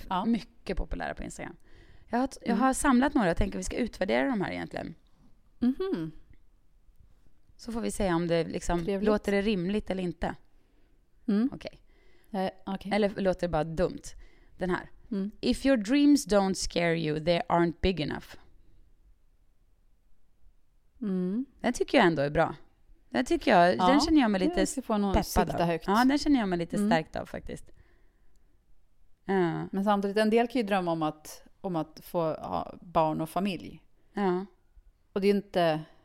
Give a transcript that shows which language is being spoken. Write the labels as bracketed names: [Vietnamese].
[Swedish] Som är mycket populära på Instagram. Jag har samlat några. Jag tänker att vi ska utvärdera de här egentligen. Mm-hmm. Så får vi säga om det liksom låter det rimligt eller inte. Mm. Okej. [English] Okay. [Swedish] Eller låter det bara dumt. Den här. Mm. [English] If your dreams don't scare you, they aren't big enough. Mm. [Swedish] Den tycker jag ändå är bra. Den tycker jag. Ja. Den känner jag mig lite peppad av. Högt. Ja, den känner jag mig lite stärkt av faktiskt. Ja. Men samtidigt, en del kan ju drömma om att få ha barn och familj. Ja. Och det är inte...